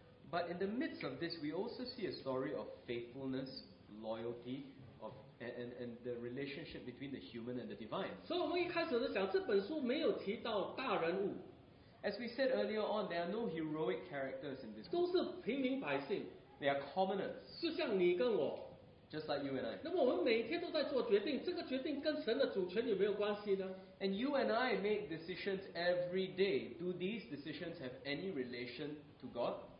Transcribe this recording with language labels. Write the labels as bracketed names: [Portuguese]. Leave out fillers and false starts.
[English] But in the midst of this, we also see a story of faithfulness, loyalty. And the relationship between the human and the divine. [Chinese] 所以我们一开始就想，这本书没有提到大人物。 [English] As we said earlier on, there are no heroic characters in this book. [Chinese] 都是平民百姓。 [English] They are commoners. [Chinese] 就像你跟我。 [English] Just like you and I. [Chinese] 那么我们每天都在做决定，这个决定跟神的主权有没有关系呢？ [English] And you and I make decisions every day. Do these decisions have any relation to God?